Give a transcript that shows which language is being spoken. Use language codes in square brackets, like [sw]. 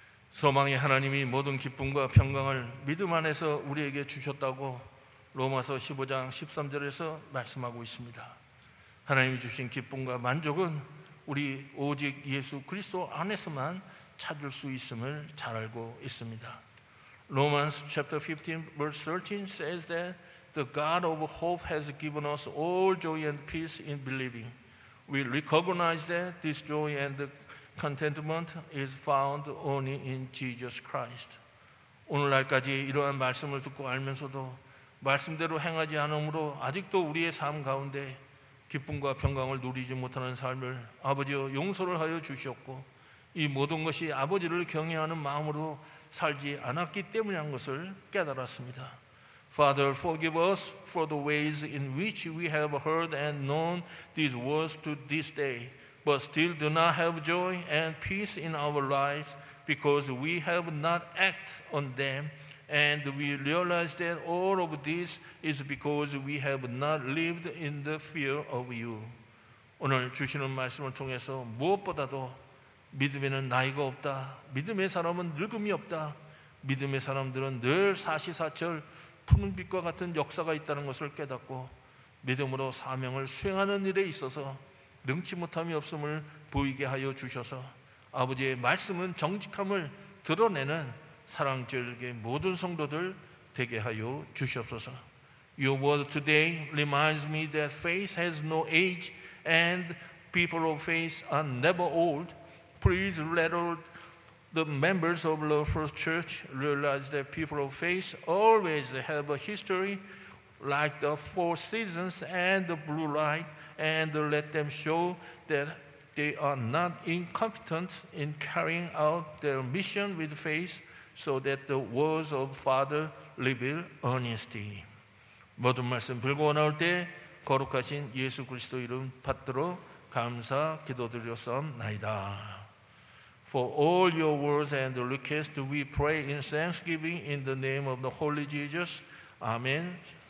[ko] 소망의 하나님이 모든 기쁨과 평강을 믿음 안에서 우리에게 주셨다고 로마서 15장 13절에서 말씀하고 있습니다. 하나님이 주신 기쁨과 만족은 우리 오직 예수 그리스도 안에서만 찾을 수 있음을 잘 알고 있습니다. [en] Romans chapter 15 verse 13 says that the God of hope has given us all joy and peace in believing. We recognize that this joy and contentment is found only in Jesus Christ. [ko] 오늘날까지 이러한 말씀을 듣고 알면서도 말씀대로 행하지 않으므로 아직도 우리의 삶 가운데 기쁨과 평강을 누리지 못하는 삶을 아버지여 용서를 하여 주시옵고 이 모든 것이 아버지를 경외하는 마음으로 살지 않았기 때문이란 것을 깨달았습니다. [en] Father, forgive us for the ways in which we have heard and known these words to this day, but still do not have joy and peace in our lives because we have not acted on them and we realize that all of this is because we have not lived in the fear of you. [ko] 오늘 주시는 말씀을 통해서 무엇보다도 믿음에는 나이가 없다, 믿음의 사람은 늙음이 없다, 믿음의 사람들은 늘 사시사철 푸는 빛과 같은 역사가 있다는 것을 깨닫고 믿음으로 사명을 수행하는 일에 있어서 능치 못함이 없음을 보이게 하여 주셔서 아버지의 말씀은 정직함을 드러내는 사랑질게 모든 성도들 되게 하여 주시옵소서. [en] Your word today reminds me that faith has no age and people of faith are never old. Please let all the members of the First Church realize that people of faith always have a history like the four seasons and the blue light and let them show that they are not incompetent in carrying out their mission with faith so that the words of Father reveal honesty. [ko] 모든 말씀 들고 나올 때 거룩하신 예수 그리스도 이름 받들어 감사 기도드렸사옵나이다. [en] For all your words and requests we pray in thanksgiving in the name of the Holy Jesus. Amen.